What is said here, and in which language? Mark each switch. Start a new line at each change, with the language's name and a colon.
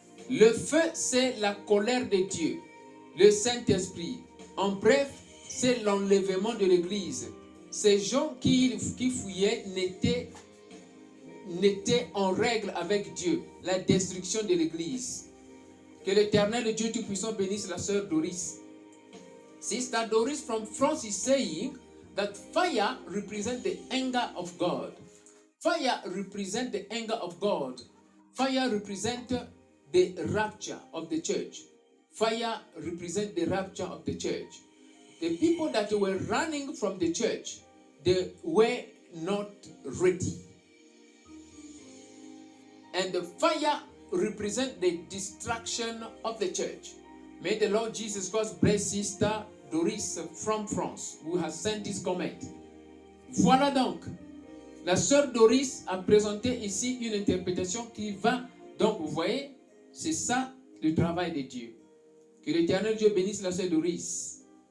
French: Le feu, c'est la colère de Dieu, le Saint-Esprit. En bref, c'est l'enlèvement de l'Église. Ces gens qui fouillaient n'étaient en règle avec Dieu. La destruction de l'Église. Que l'Éternel, Dieu Tout-Puissant, bénisse la sœur Doris.
English: Sister Doris from France is saying that fire represents the anger of God. Fire represents the anger of God. Fire represents the rapture of the church. Fire represents the rapture of the church. The people that were running from the church, they were not ready. And the fire represents the destruction of the church. May the Lord Jesus Christ bless Sister Doris from France, who has sent this comment.
French: Voilà donc. La sœur Doris a présenté ici une interprétation qui va. Donc, vous voyez, c'est ça le travail de Dieu. Que l'Éternel Dieu bénisse la sœur Doris.